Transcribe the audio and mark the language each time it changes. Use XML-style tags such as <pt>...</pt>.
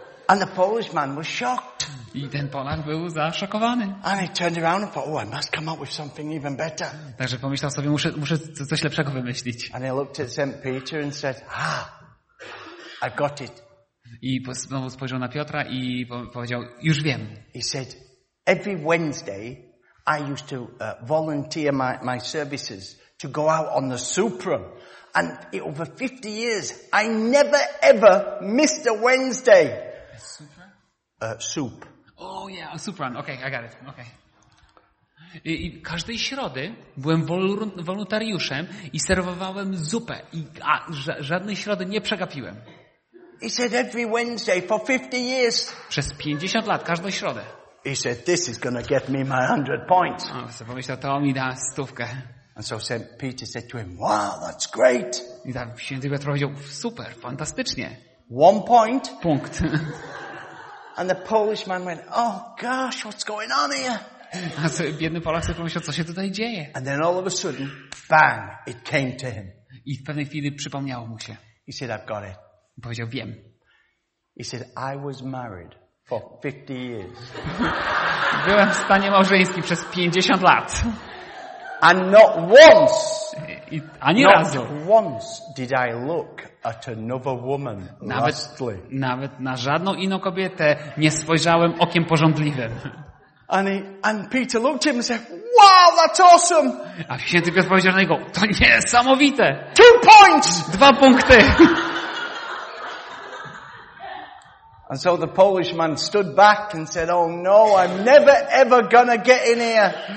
<en>And the Polish man was shocked.</en> <pl>I ten Polak był zaszokowany.</pl> <en>And he turned around and thought, "Oh, I must come up with something even better."</en> <pl>Także pomyślał sobie, muszę coś lepszego wymyślić.</pl> <en>And he looked at St. Peter and said, "Ah, I've got it."</en> <pl>I znowu spojrzał na Piotra i powiedział, "Już wiem."</pl> <en>He said, "Every Wednesday I used to volunteer my services to go out on the Supra, and over 50 years I never ever missed a Wednesday." Supra? Soup. Oh yeah, a Supra. Okay, I got it. Okay.</en> <pl>I każdej środy byłem wolontariuszem i serwowałem zupę i żadnej środy nie przegapiłem.</pl> <en>He said every Wednesday for 50 years.</en> <pl>Przez 50 lat każdą środę.</pl> <en>He said, "This is going to get me my 100 points."</en> <pl>Oh, so pomyślał, to mi da stówkę.</pl> <en>And so St. Peter said to him, "Wow, that's great."</en> <pl>I tak święty Piotr powiedział, super, fantastycznie.</pl> <en>One point.</en> <pl>Punkt.</pl> <en>And the Polish man went, "Oh gosh, what's going on here?"</en> <pl>A co, biedny Polak sobie pomyślał, co się tutaj dzieje?</pl> <en>And then all of a sudden, bang, it came to him.</en> <pl>I w pewnej chwili przypomniało mu się.</pl> <en>He said, "I've got it."</en> <pl>I powiedział, wiem.</pl> <en>He said, "I was married for 50 years."</en> <pl>Byłem w stanie małżeńskim przez 50 lat.</pl> <en>And not once.</en> <pl>Ani</pl> <en>not</en> <pl>razu.</pl> <en>Once did I look at another woman lustfully.</en> <pl>Nawet na żadną inną kobietę nie spojrzałem okiem pożądliwym.</pl> <en>And Peter looked at him and said, "Wow, that's awesome."</en> <pl>A święty Piotr powiedział na niego, to niesamowite.</pl> <en>2 points.</en> <pl>2 punkty.</pl> <en>And so the Polish man stood back and said, "Oh no, I'm never ever gonna get in here."</en>